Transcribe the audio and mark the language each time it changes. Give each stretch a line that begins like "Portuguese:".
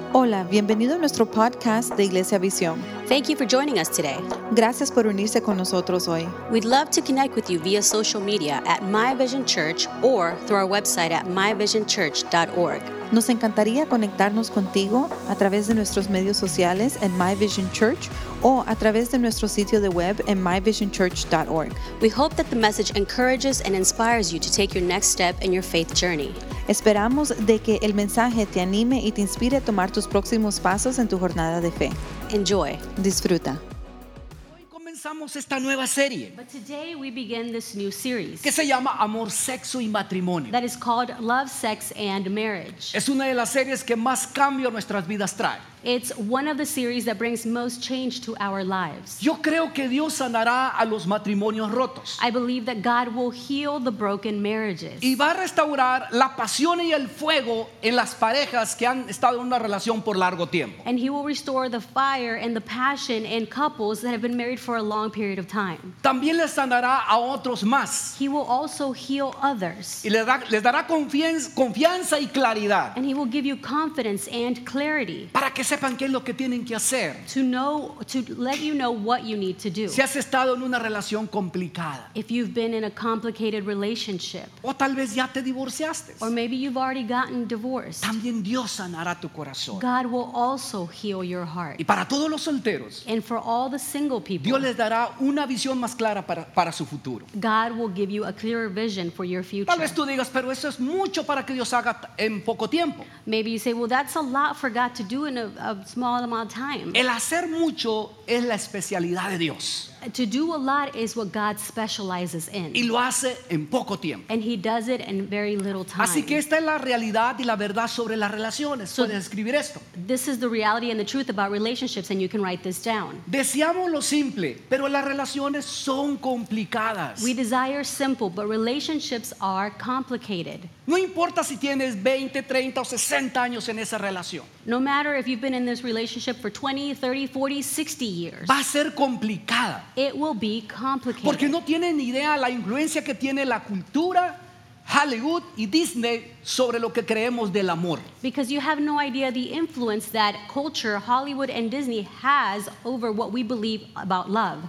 Spanish: Hola, bienvenido a nuestro podcast de Iglesia Visión.
English: Thank you for joining us today.
Spanish: Gracias por unirse con nosotros hoy.
English: We'd love to connect with you via social media at My Vision Church or through our website at myvisionchurch.org.
Spanish: Nos encantaría conectarnos contigo a través de nuestros medios sociales en My Vision Church o a través de nuestro sitio de web en myvisionchurch.org.
English: We hope that the message encourages and inspires you to take your next step in your faith journey.
Spanish: Esperamos de que el mensaje te anime y te inspire a tomar tus próximos pasos en tu jornada de fe.
English: Enjoy.
Spanish: Disfruta. Hoy comenzamos esta nueva serie.
English: But today we begin this new series.
Spanish: Que se llama Amor, Sexo y Matrimonio.
English: That is called Love, Sex and Marriage.
Spanish: Es una de las series que más cambio a nuestras vidas trae.
English: It's one of the series that brings most change to our lives.
Spanish: Yo creo que Dios sanará a los matrimonios rotos.
English: I believe that God will heal the broken marriages.
Spanish: Y va a restaurar la pasión y el fuego en las parejas que han estado en una relación por largo tiempo.
English: And he will restore the fire and the passion in couples that have been married for a long period of time.
Spanish: También les sanará a otros más.
English: He will also heal others.
Spanish: Y les dará confianza y claridad.
English: And he will give you confidence and clarity.
Spanish: Para que sepan qué es lo que tienen que hacer.
English: To let you know what you need to do.
Spanish: Si has estado en una relación complicada.
English: If you've been in a complicated relationship.
Spanish: O tal vez ya te divorciaste.
English: Or maybe you've already gotten divorced.
Spanish: También Dios sanará tu corazón.
English: God will also heal your heart.
Spanish: Y para todos los solteros.
English: And for all the single people.
Spanish: Dios les dará una visión más clara para su futuro.
English: God will give you a clearer vision for your future.
Spanish: Tal vez tú digas, pero eso es mucho para que Dios haga en poco tiempo.
English: Maybe you say, well, that's a lot for God to do in a small amount of time.
Spanish: El hacer mucho es la especialidad de Dios.
English: To do a lot is what God specializes in.
Spanish: Y lo hace en poco tiempo.
English: And he does it in very little time.
Spanish: Así que esta es la realidad y la verdad sobre las relaciones. So puedes escribir esto.
English: This is the reality and the truth about relationships, and you can write this down.
Spanish: Deseamos lo simple, pero las relaciones son complicadas.
English: We desire simple, but relationships are complicated.
Spanish: No importa si tienes 20, 30 o 60 años en esa relación.
English: No matter if you've been in this relationship for 20, 30, 40, 60 years.
Spanish: Va a ser complicada.
English: It will be complicated.
Spanish: Porque no tienen idea la influencia que tiene la cultura, Hollywood y Disney sobre lo que creemos del amor.
English: Because you have no idea the influence that culture, Hollywood and Disney has over what we believe about love.